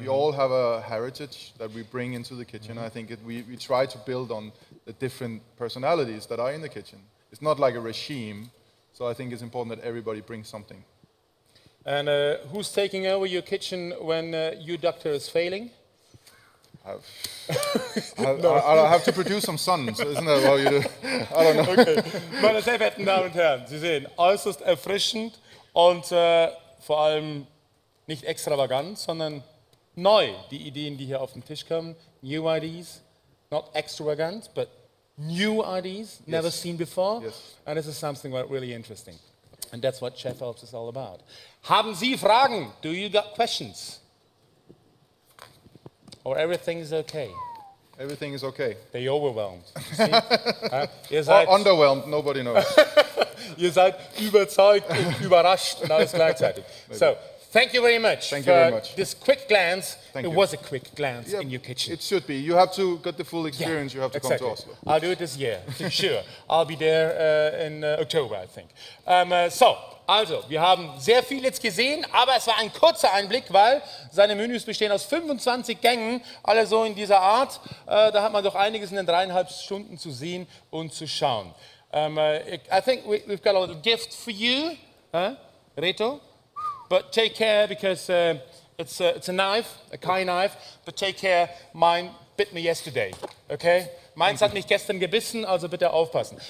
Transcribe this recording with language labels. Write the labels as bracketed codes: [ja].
[en] We all have a heritage that we bring into the kitchen. Mm-hmm. I think we try to build on the different personalities that are in the kitchen. It's not like a regime, so I think it's important that everybody brings something. And who's taking over your kitchen when your doctor is failing? I have to produce some sons, isn't that what you do? I don't know. Okay. [de] Meine sehr verehrten Damen und Herren, Sie sehen, äußerst erfrischend und vor allem nicht extravagant, sondern neu, die Ideen, die hier auf den Tisch kommen. [en] New ideas, not extravagant, but new ideas, never yes. seen before. Yes. And this is something really interesting. And that's what ChefAlps is all about. [de] Haben Sie Fragen? [en] Do you got questions? Or everything is okay. Everything is okay. They overwhelmed. You see? Or underwhelmed, nobody knows. [de] You seid überzeugt und überrascht und alles gleichzeitig. [en] So, thank you very much. Thank you very much. This quick glance, thank it you. Was a quick glance yeah, in your kitchen. It should be. You have to get the full experience, yeah, you have to exactly. come to Oslo. I'll do it this year, for sure. I'll be there in October, I think. [de] Also, wir haben sehr viel jetzt gesehen, aber es war ein kurzer Einblick, weil seine Menüs bestehen aus 25 Gängen, alle so in dieser Art. Da hat man doch einiges in den 3,5 Stunden zu sehen und zu schauen. [en] I think we've got a little gift for you, Reto. But take care, because it's a knife, a Kai knife. But take care, mine bit me yesterday, okay? [de] Meins hat mich gestern gebissen, also bitte aufpassen.